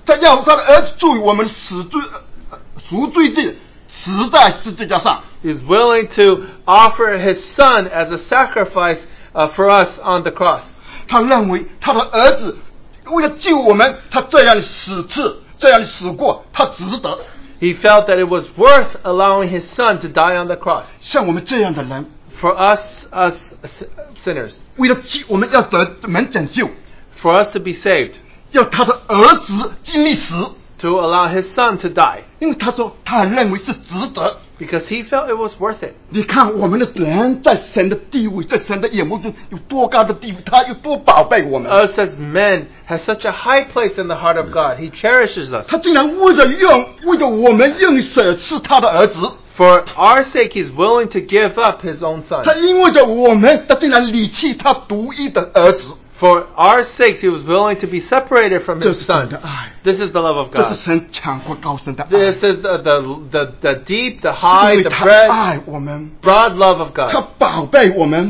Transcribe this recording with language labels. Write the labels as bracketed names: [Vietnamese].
[Chinese] 他要他的儿子作为我们死罪赎罪祭死在十字架上 [English] He's willing to offer his son as a sacrifice for us on the cross [Chinese] 他认为他的儿子为了救我们他这样死去这样死过他值得 [English] He felt that it was worth allowing his son to die on the cross [Chinese] 像我们这样的人 [English] for us sinners. [Chinese] 为了我们要得门拯救, [English] for us to be saved. [Chinese] 要他的儿子经历死, [English] to allow his son to die. [Chinese] 因为他说他认为是值得, [English] because he felt it was worth it. [Chinese] 你看我们的人在神的地位, 在神的眼目中有多高的地位, 他有多宝贝我们。 [English] Us as men has such a high place in the heart of God. He cherishes us. [Chinese] 他竟然为了用, 为了我们用舍赐他的儿子。 [English] For our sake, he's willing to give up his own son. [Chinese] 他因为着我们, 他竟然离弃他独一的儿子。 [English] For our sakes, he was willing to be separated from his son. This is the love of God. This is the deep, the high, the breadth, broad love of God.